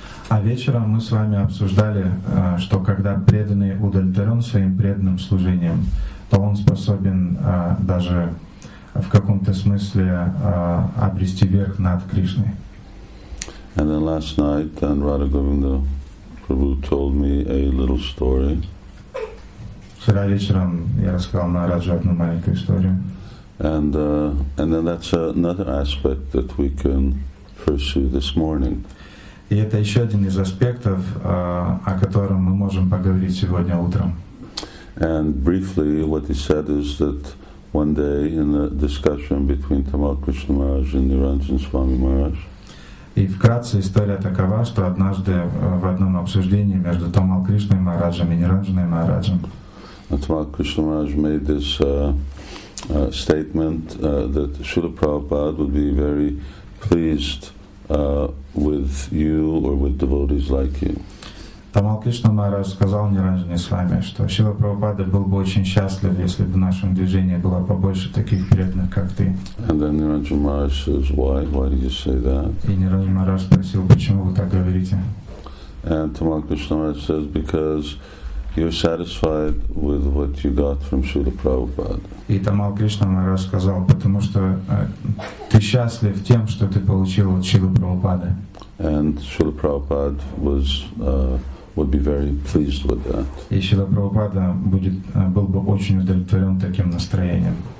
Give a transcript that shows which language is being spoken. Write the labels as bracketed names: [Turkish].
[Russian] А вечером мы с вами обсуждали, что когда преданный удовлетворен своим преданным служением, то он способен даже в каком-то смысле обрести верх над Кришной. [English] And then last night, then Radha Govinda Prabhu told me a little story. [Russian] Вчера вечером я рассказал на Раджу одну маленькую историю. [English] And then that's another aspect that we can pursue this morning. [Russian] И это еще один из аспектов, о котором мы можем поговорить сегодня утром. [English] And briefly, what he said is that one day in a discussion between Tamal Krishna Maharaj and Niranjan Swami Maharaj. [Russian] И вкратце история такова, что однажды в одном обсуждении между Tamal Krishna Maharaj и Niranjan Maharaj. [English] Tamal Krishna Maharaj made this statement that Srila Prabhupada would be very pleased with you or with devotees like you. [Russian] Tamal Krishna Maharaj сказал Niranjan Swami, что Шрила Прабхупада был бы очень счастлив, если бы в нашем движении было побольше таких преданных, как ты. [English] And then Niranjan Maharaj says, why? Why do you say that? [Russian] И Niranjan Maharaj спросил, почему вы так говорите? [English] And Tamal Krishna Maharaj says, because you're satisfied with what you got from Srila Prabhupada. [Russian] И Tamal Krishna Maharaj сказал, потому что ты счастлив тем, что ты получил от Шрила Прабхупады. [English] And Srila Prabhupada would be very pleased with that. [Russian] И Шрила Прабхупада был бы очень удовлетворен таким настроением.